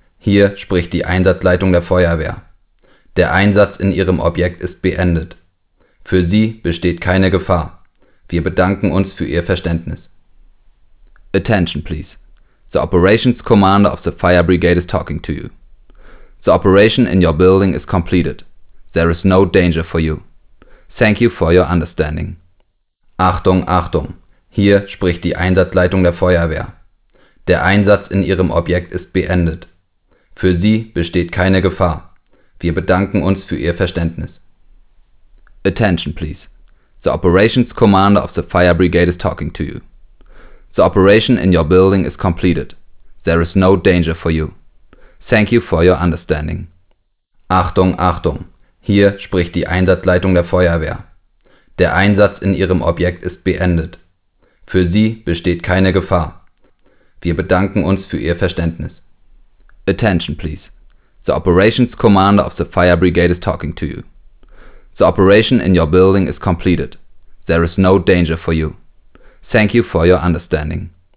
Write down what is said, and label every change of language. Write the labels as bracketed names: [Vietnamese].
[German] Hier spricht die Einsatzleitung der Feuerwehr. Der Einsatz in Ihrem Objekt ist beendet. Für Sie besteht keine Gefahr. Wir bedanken uns für Ihr Verständnis. [English] Attention, please. The Operations Commander of the Fire Brigade is talking to you. The operation in your building is completed. There is no danger for you. Thank you for your understanding. [German] Achtung, Achtung! Hier spricht die Einsatzleitung der Feuerwehr. Der Einsatz in Ihrem Objekt ist beendet. Für Sie besteht keine Gefahr. Wir bedanken uns für Ihr Verständnis. [English] Attention, please. The Operations Commander of the Fire Brigade is talking to you. The operation in your building is completed. There is no danger for you. Thank you for your understanding. [German] Achtung, Achtung! Hier spricht die Einsatzleitung der Feuerwehr. Der Einsatz in Ihrem Objekt ist beendet. Für Sie besteht keine Gefahr. Wir bedanken uns für Ihr Verständnis. [English] Attention, please. The Operations Commander of the Fire Brigade is talking to you. The operation in your building is completed. There is no danger for you. Thank you for your understanding.